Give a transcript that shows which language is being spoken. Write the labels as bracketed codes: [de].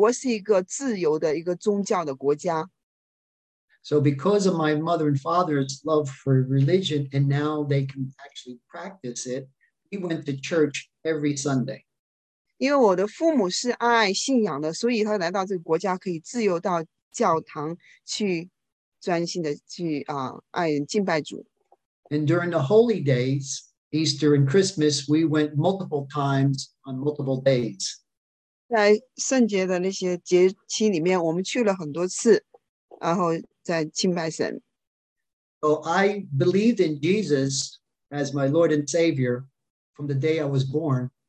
[zh] 我的父母是在一个国家是好像是不太提倡这个宗教的，但是来到美国的话，美国是一个自由的一个宗教的国家。 [en] So because of my mother and father's love for religion, and now they can actually practice it, we went to church every Sunday. [zh] 因为我的父母是爱信仰的，所以他来到这个国家可以自由到教堂去专心的去爱敬拜主。 [en] And during the holy days, Easter and Christmas, we went multiple times on multiple days. [zh] 在圣洁的那些节期里面，我们去了很多次。然后在敬拜神。 [en] So I believed in Jesus as my Lord and Savior from the day I was born.